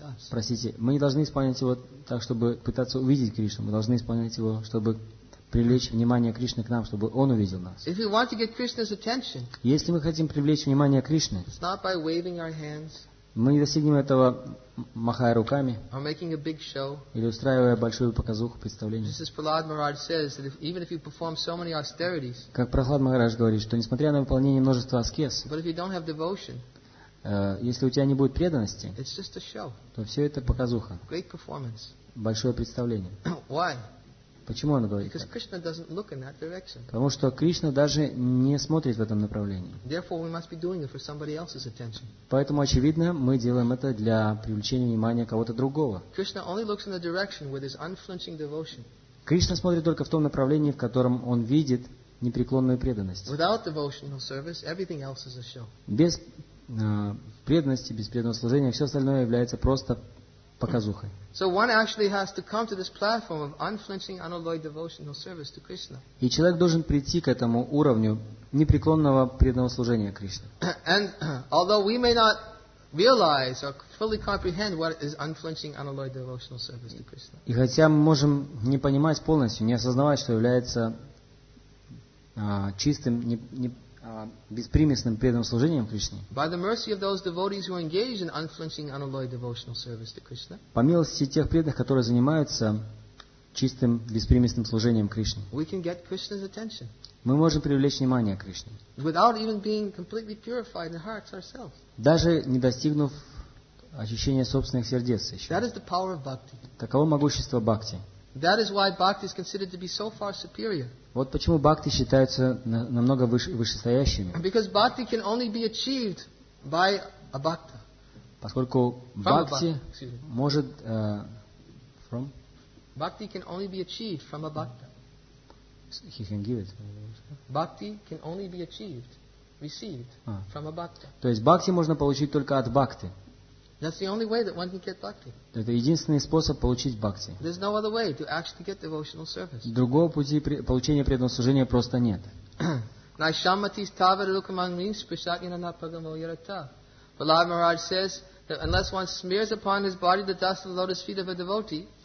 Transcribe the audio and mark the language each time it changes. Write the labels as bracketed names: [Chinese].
[Russian] Простите, мы не должны исполнять его так, чтобы пытаться увидеть Кришну. Мы должны исполнять его, чтобы привлечь внимание Кришны к нам, чтобы Он увидел нас. [English] If we want to get Krishna's attention, [Russian] если мы хотим привлечь внимание Кришны, [English] it's not by waving our hands, [Russian] мы не достигнем этого, махая руками [English] or making a big show, [Russian] или устраивая большую показуху, представление. [English] This is Prahlad Maharaj says that if, even if you perform so many austerities, [Russian] как Прохлад Махарадж говорит, что несмотря на выполнение множества аскез, [English] but if you don't have devotion, [Russian] если у тебя не будет преданности, [English] it's just a show, [Russian] то все это показуха. [English] Great performance. [Russian] Большое представление. [English] Why? [Russian] Почему он говорит? [English] Because Krishna doesn't look in that direction. [Russian] Потому что Кришна даже не смотрит в этом направлении. [English] Therefore, we must be doing it for somebody else's attention. [Russian] Поэтому, очевидно, мы делаем это для привлечения внимания кого-то другого. [English] Krishna only looks in the direction with his unflinching devotion. [Russian] Кришна смотрит только в том направлении, в котором он видит непреклонную преданность. [English] Without devotional service, everything else is a show. [Russian] Без преданности, без преданного служения, все остальное является просто показухой. [English] So one actually has to come to this platform of unflinching, unalloyed devotional service to Krishna. [Russian] И человек должен прийти к этому уровню непреклонного преданного служения Кришне. [English] And although we may not realize or fully comprehend what is unflinching, unalloyed devotional service to Krishna. [Russian] И хотя мы можем не понимать полностью, не осознавать, что является чистым, беспримесным преданным служением Кришне, по милости тех преданных, которые занимаются чистым, беспримесным служением Кришне, [English] we can get Krishna's attention. [Russian] Мы можем привлечь внимание Кришне, [English] without even being completely purified in hearts ourselves. [Russian] Даже не достигнув очищения собственных сердец еще. [English] That is the power of bhakti. [Russian] Таково могущество бхакти. [English] That is why bhakti is considered to be so far superior. [Russian] Вот почему бхакти считаются намного вышестоящими. [English] Because bhakti can only be achieved by a bhakta. [Russian] Поскольку бхакти может [English] from bhakti can only be achieved from a bhakta. He can give it. Bhakti can only be achieved, received from a bhakta. [Russian] То есть бхакти можно получить только от бхакты. [English] That's the only way that one can get bhakti. [Russian] Это единственный способ получить бхакти. [English] There's no other way to actually get devotional service. [Russian] Другого пути получения преданного служения просто нет. [Sanskrit] Naishamati stavar lukamangmin spishatina napagamo yarata. [English] Prahlad Maharaj says that unless one smears upon his body the dust of the lotus feet of a devotee,